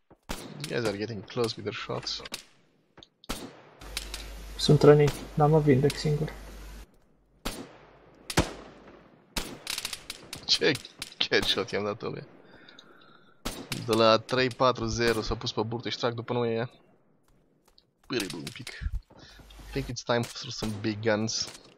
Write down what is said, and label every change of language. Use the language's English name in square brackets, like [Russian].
[English] You guys are getting close with their shots. [Romanian] Sunt rănit, dar mă vindec singur. Ce headshot i-am dat ăla. De la 3-4-0 s-a pus pe burtă și trag după noi aia. Pâribu un pic. [English] I think it's time for some big guns.